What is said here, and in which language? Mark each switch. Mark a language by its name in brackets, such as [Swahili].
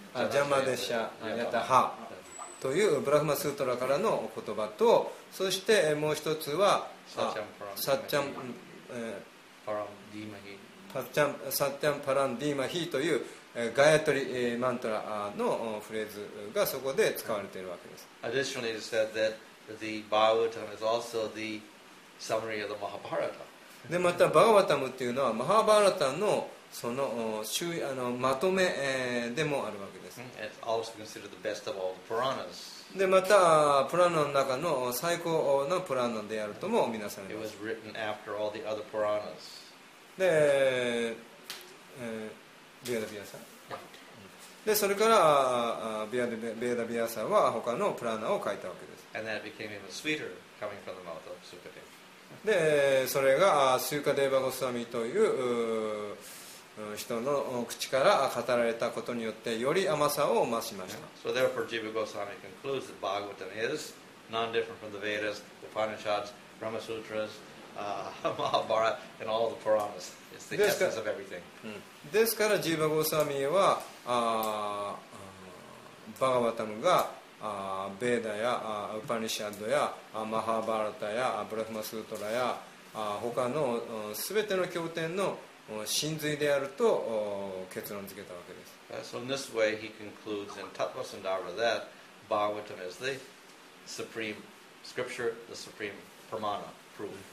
[Japanese] ジャマデシャヤタハというブラフマスートラからの言葉と、そしてもう一つはサッチャンパランディーマヒというガヤトリマントラのフレーズがそこで使われているわけです。 [English] Additionally, it said that the Bhagavatam is also the summary of the Mahabharata. [Japanese] で、またバガヴァタムというのはマハバラタのその周囲まとめでもあるわけです。 [English] It's also considered the best of all the Puranas. [Japanese] でまたプラナの中の最高のプラナであるとも見なされます。 [English] It was after all the other Puranas. [Japanese] で、ビアダビアサ、でそれからビアダビアサは他のプラナを書いたわけです。 [English] And that became even sweeter coming from the mouth of Sukadeva. [Japanese] でそれがスーカデーバゴスワミという人の口から語られたことによってより甘さを増しました。 [English] So therefore Jiva Goswami concludes that Bhagavatam is non-different from the Vedas, Upanishads, Brahma Sutras, Mahabharata and all the Puranas. It's the essence of everything. [Japanese] ですから Jiva Goswami はバガヴァタムがベーダやウパニシャッドやマハーバラタやブラフマスートラや他の全ての経典の真髄であると結論付けたわけです。 [English] So in this way he concludes in Tattvasandarbha that Bhagavatam is the supreme scripture, the supreme pramana, proof.